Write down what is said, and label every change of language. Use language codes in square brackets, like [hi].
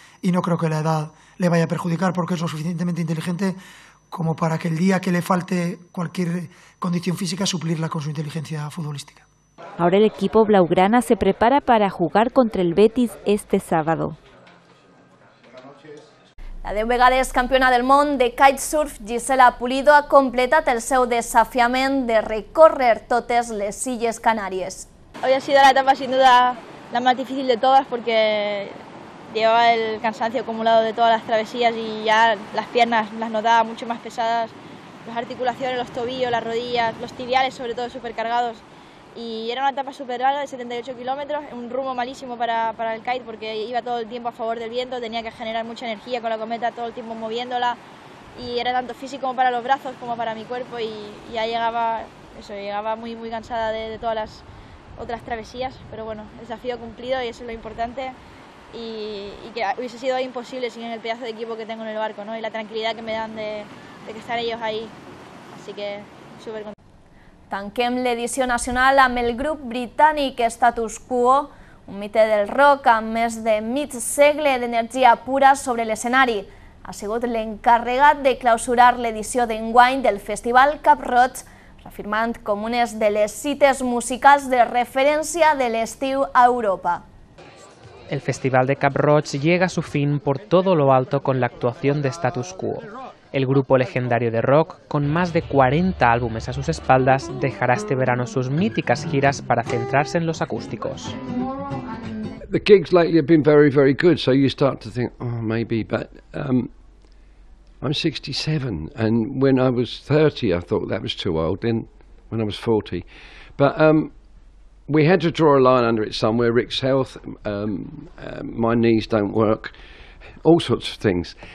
[es] Y no creo que la edad le vaya a perjudicar porque es lo suficientemente inteligente como para que el día que le falte cualquier condición física suplirla con su inteligencia futbolística. Ahora el equipo blaugrana se prepara para jugar contra el Betis este sábado. [ca] La 10 vegades campiona del món de kitesurf, Gisela Pulido, ha completat el seu desafiament de recórrer totes les Illes Canàries. [es] Había sido la etapa sin duda la más difícil de todas porque llevaba el cansancio acumulado de todas las travesías y ya las piernas las notaba mucho más pesadas, las articulaciones, los tobillos, las rodillas, los tibiales sobre todo supercargados. Y era una etapa súper larga de 78 kilómetros, un rumbo malísimo para el kite porque iba todo el tiempo a favor del viento, tenía que generar mucha energía con la cometa todo el tiempo moviéndola y era tanto físico como para los brazos como para mi cuerpo y ya llegaba muy, muy cansada de todas las otras travesías, pero bueno, el desafío cumplido y eso es lo importante y que hubiese sido imposible sin el pedazo de equipo que tengo en el barco, ¿no? Y la tranquilidad que me dan de que están ellos ahí, así que súper contenta. [ca] Tanquem l'edició nacional amb el grup britànic Status Quo, un mite del rock amb més de mig segle d'energia pura sobre l'escenari. Ha sigut l'encarregat de clausurar l'edició d'enguany del Festival Cap Roig, reafirmant com unes de les cites musicals de referència de l'estiu a Europa. [es] El Festival de Cap Roig llega a su fin por todo lo alto con la actuación de Status Quo. El grupo legendario de rock, con más de 40 álbumes a sus espaldas, dejará este verano sus míticas giras para centrarse en los acústicos. [en] The gigs lately have been very, very good, so you start to think, oh, maybe, but I'm 67, and when I was 30, I thought that was too old, then when I was 40. But we had to draw a line under it somewhere, Rick's health, my knees don't work, all sorts of things.